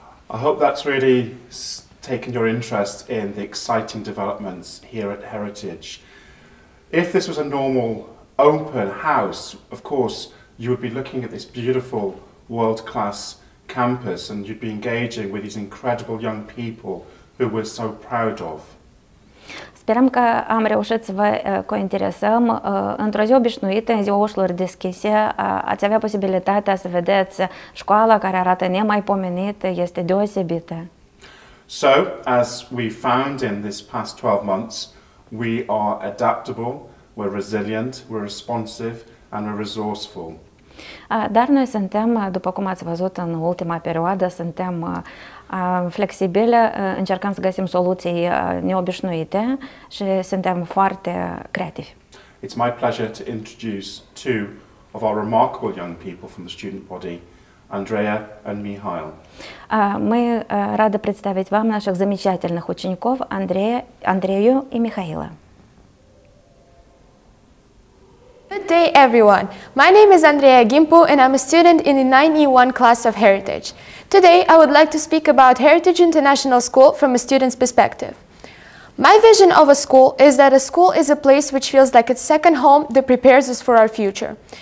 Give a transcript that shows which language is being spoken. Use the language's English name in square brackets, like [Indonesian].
[English] I hope that's really taken your interest in the exciting developments here at Heritage. If this was a normal open house, of course, you would be looking at this beautiful world-class campus and you'd be engaging with these incredible young people who we're so proud of. [Romanian] Sperăm că am reușit să vă cointeresăm. Într-o zi obișnuită, în ziua ușilor deschise, ați avea posibilitatea să vedeți școala care arată nemaipomenit, este deosebită. [English] So, as we found in this past 12 months, we are adaptable, we're resilient, we're responsive and we're resourceful. [Romanian] Dar noi suntem, după cum ați văzut în ultima perioadă, suntem flexibile, încercăm să găsim soluții neobișnuite și suntem foarte creativi. [English] It's my pleasure to introduce two of our remarkable young people from the student body, Andreea and Mihail. [Russian] Мы рады представить вам наших замечательных учеников Андрею и Михаила. [English] Good day, everyone. My name is Andreea Gimpu, and I'm a student in the 9E1 class of Heritage. Today, I would like to speak about Heritage International School from a student's perspective. My vision of a school is that a school is a place which feels like its second home that prepares us for our future.